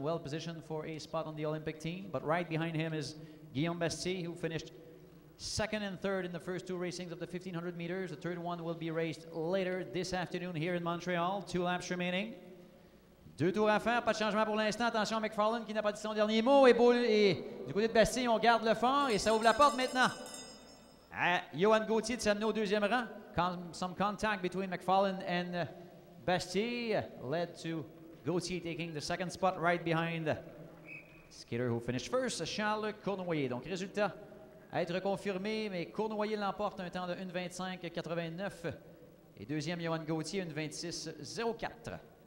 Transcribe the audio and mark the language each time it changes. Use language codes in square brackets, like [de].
[en] Well positioned for a spot on the Olympic team. But right behind him is Guillaume Bastier, who finished second and third in the first two racings of the 1500 meters. The third one will be raced later this afternoon here in Montreal. Two laps remaining. [fr] Deux tours à faire. Pas de changement pour l'instant. Attention à McFarlane qui n'a pas dit son dernier mot. Et du côté de Bastier, on garde le fond. Et ça ouvre la porte maintenant. Johan Gauthier de s'amener au deuxième rang. [en] Some contact between McFarlane and Bastille led to Gauthier taking the second spot right behind the skater who finished first, Charles Cournoyer. [fr] Donc, résultat à être confirmé, mais Cournoyer l'emporte un temps de 1:25.89 et deuxième, Johan Gauthier, 1:26.04.